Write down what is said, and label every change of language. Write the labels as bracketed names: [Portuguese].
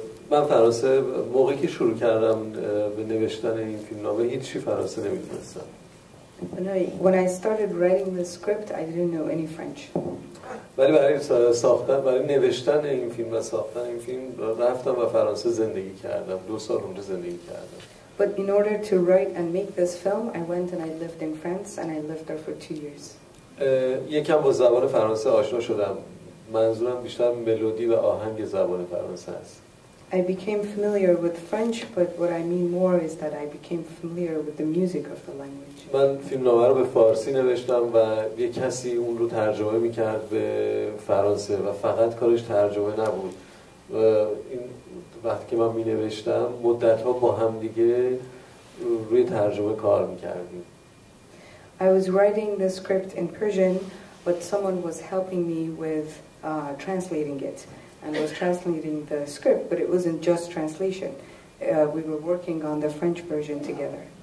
[Persian] من فرانسه موقعی که شروع کردم به نوشتن این فیلمنامه هیچی فرانسه نمی‌دونستم. [English] When I started writing the script, I didn't know any French. [Persian] ولی برای ساختن برای نوشتن این فیلم و ساختن این فیلم رفتم و فرانسه زندگی کردم. دو سال اونجا زندگی کردم. [English] But in order to write and make this film, I went and I lived in France and I lived there for 2 years. [Persian] یکم با زبان فرانسه آشنا شدم. منظورم بیشتر ملودی و آهنگ زبان فرانسه است. [English] I became familiar with French, but what I mean more is that I became familiar with the music of the language. [Persian] من فیلمنامه رو به فارسی نوشتم و یه کسی اون رو ترجمه میکرد به فرانسه و فقط کارش ترجمه نبود. و این وقتی که من مینوشتم مدت‌ها با هم دیگه روی ترجمه کار میکردیم. [English] I was writing the script in Persian, but someone was helping me with translating it. And was translating the script, but it wasn't just translation. We were working on the French version together.